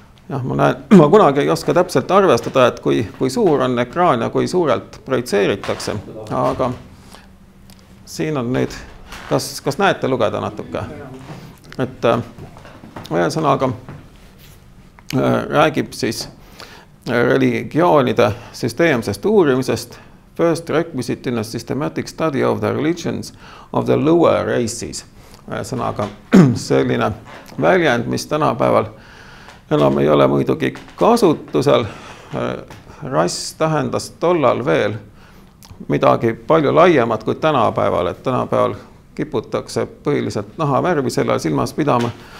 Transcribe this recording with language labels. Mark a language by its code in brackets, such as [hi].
[et] Ja ma näen, ma kunagi ei oska täpselt arvestada, et kui suur on ekraan ja kui suurelt projitseeritakse. Aga siin on nüüd, kas näete lugeda natuke? Et ühe sõnaga räägib siis religioonide süsteemsest uurimisest. [en] First requisite in a systematic study of the religions of the lower races. [et] Sõnaga selline väljend, mis tänapäeval enam ei ole muidugi kasutusel. Rass tähendas tollal veel midagi palju laiemat kui tänapäeval. Et tänapäeval kiputakse põhiliselt nahavärvi sellel silmas pidama.